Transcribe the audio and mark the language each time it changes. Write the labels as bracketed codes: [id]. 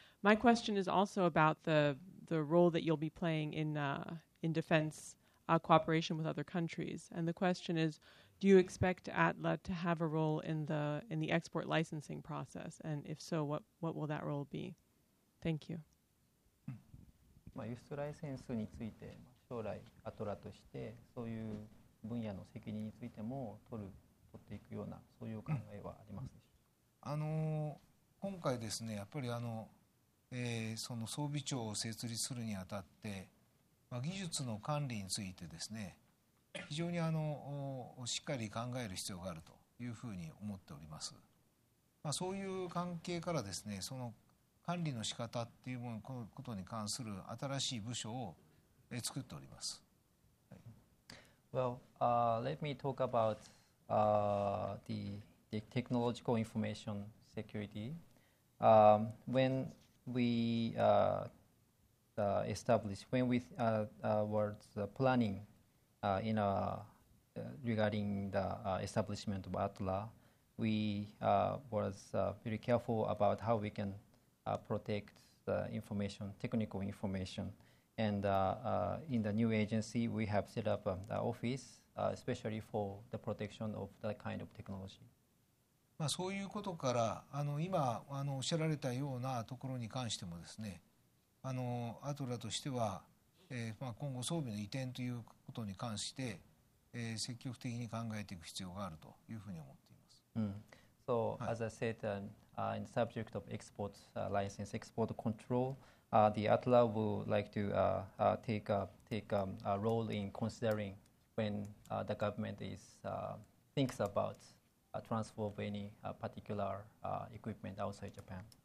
[en] My question is also about the role that you'll be playing in defense cooperation with other countries. And the question is, do you expect ATLA to have a role in the export licensing process? And if so, what will that role be? Thank you. [ja] まあ、輸出ライセンスについて、将来アトラとしてそういう分野の責任についても取っていくようなそういう考えはありますでしょうか？今回ですね、やっぱりあのその装備庁を設立するにあたって、まあ、技術の管理についてですね、非常にしっかり考える必要があるというふうに思っております。まあ、そういう関係からですね、その管理の仕方っていうものことに関する新しい部署を作っております。 [en] Well, let me talk about the technological information security. When we established, when we were planning in regarding the establishment of ATLA, we was very careful about how we can protect the information, technical information. And in the new agency, we have set up an office, especially for the protection of that kind of technology. [ja] まあ、そういうことから今おっしゃられたようなところに関してもですね、アトラとしては、まあ、今後装備の移転ということに関して、積極的に考えていく必要があるというふうに思っています。 Mm. [en] So、はい、as I said, in the subject of export license, export control,the ATLA would like to take a role in considering when the government is thinks about transfer of any particular equipment outside Japan.